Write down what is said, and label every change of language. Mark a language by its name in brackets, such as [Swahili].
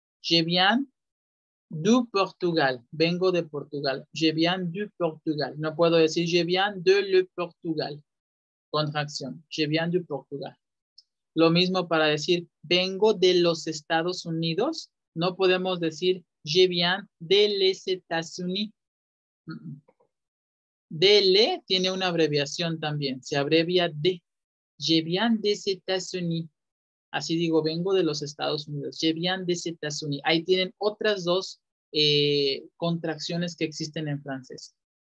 [French] Je viens du Portugal. [Spanish] Vengo de Portugal. [French] Je viens du Portugal. [Spanish] No puedo decir [French] je viens de le Portugal. Contracción. Je viens du Portugal. [Spanish] Lo mismo para decir vengo de los Estados Unidos. No podemos decir [French] je viens de les États-Unis. [Spanish] Dele tiene una abreviación también. Se abrevia de. [French] Je viens des États-Unis. [Spanish] Así digo, vengo de los Estados Unidos. [French] Je viens des États-Unis. [Spanish] Ahí tienen otras dos contracciones que existen en francés.